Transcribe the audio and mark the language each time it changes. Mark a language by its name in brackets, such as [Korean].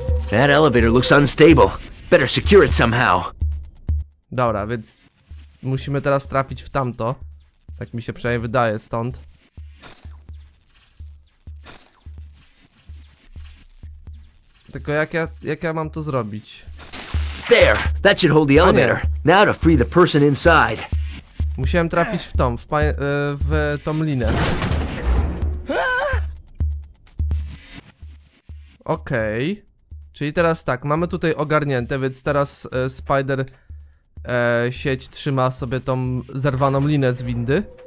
[English] That elevator looks unstable. Better secure it somehow. [Polish] Dobra, więc musimy teraz trafić w tamto. Tak mi się przynajmniej wydaje stąd. Tylko jak ja mam to zrobić? [English] There, that should hold the elevator. Now to free the person inside. [Polish] Musiałem trafić w tą, w tą linę. Okej. Czyli teraz tak, mamy tutaj ogarnięte, więc teraz Spider sieć trzyma sobie tą zerwaną linę z windy.